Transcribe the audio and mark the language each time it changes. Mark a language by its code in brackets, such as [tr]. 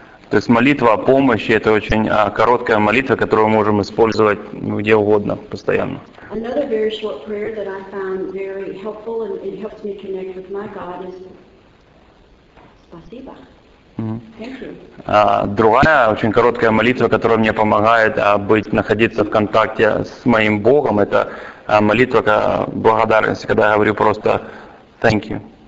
[ru] То есть молитва о помощи — это очень короткая молитва, которую мы можем использовать где угодно, постоянно. [en] Another very short prayer that I found very helpful and it helps me connect with my God is [ru] Спасибо. [en] Thank you. [ru] Другая очень короткая молитва, которая мне помогает находиться в контакте с моим Богом, это молитва благодарности, когда я говорю просто [en] thank you.